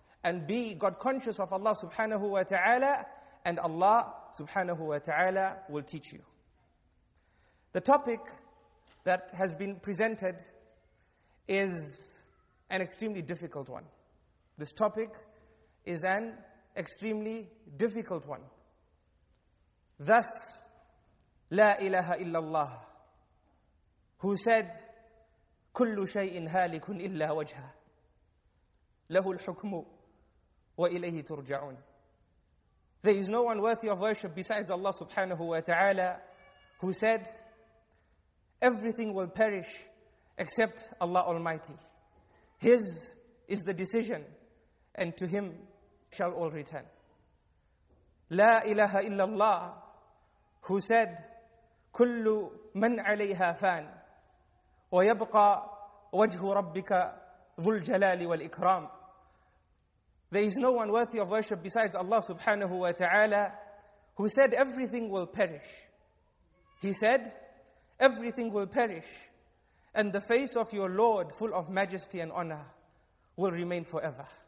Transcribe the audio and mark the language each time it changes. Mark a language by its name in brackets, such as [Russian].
[English] And be God conscious of Allah subhanahu wa ta'ala, and Allah subhanahu wa ta'ala will teach you. The topic that has been presented is an extremely difficult one. This topic is an extremely difficult one. Thus, [Arabic] لا إله إلا الله, [English] who said, [Arabic] كل شيء هالك إلا وجهه, له الحكم وإليه ترجعون. [English] There is no one worthy of worship besides Allah subhanahu wa ta'ala, who said, everything will perish except Allah Almighty. His is the decision, and to Him shall all return. [Arabic] لا إله إلا الله, [English] who said, [Arabic] كل من عليها فان ويبقى وجه ربك ذو الجلال والإكرام. [English] There is no one worthy of worship besides Allah subhanahu wa ta'ala, who said everything will perish. He said, everything will perish, and the face of your Lord, full of majesty and honor, will remain forever.